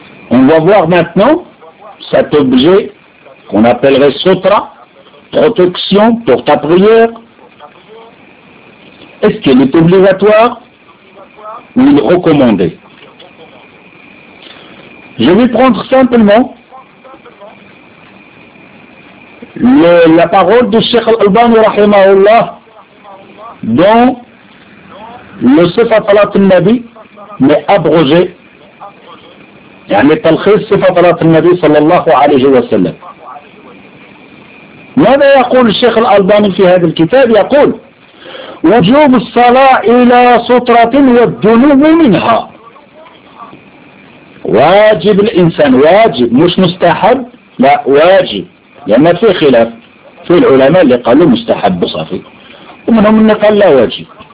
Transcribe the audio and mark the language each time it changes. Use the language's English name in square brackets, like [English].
[French] On va voir maintenant cet objet qu'on appellerait sotra, protection pour ta prière. Est-ce qu'il est obligatoire ou il est recommandé? Je vais prendre simplement la parole de Cheikh Al-Albani rahimahullah dans le Sifat al-Nabi, mais abrogé. [Arabic] يعني تلخيص صفة النبي صلى الله عليه وسلم ماذا يقول الشيخ الألباني في هذا الكتاب يقول وجوب الصلاة إلى سترة والدنو منها واجب الإنسان واجب مش مستحب لا واجب لأن في خلاف في العلماء اللي قالوا مستحب صافي ومنهم اللي قال لا واجب